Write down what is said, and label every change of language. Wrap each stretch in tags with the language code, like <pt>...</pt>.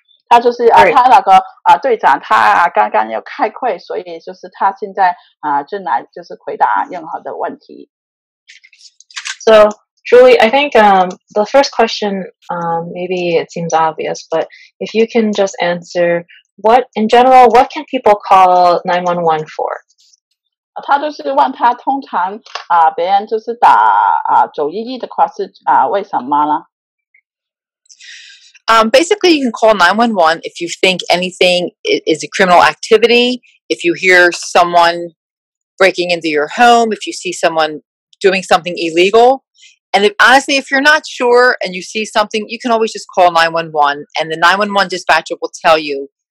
<zh>他就是他那个队长，他刚刚要开会，所以就是他现在正来就是回答任何的问题。</zh> <en>So Julie, I think the first question, maybe it seems obvious, but if you can just answer,What, in general, what can people call 911 for?</en> <zh>他就是问他通常别人就是打911的话是为什么呢？</zh> <en>Basically, you can call 911 if you think anything is a criminal activity, if you hear someone breaking into your home, if you see someone doing something illegal. And honestly, if you're not sure and you see something, you can always just call 911 and the 911 dispatcher will tell you.</en>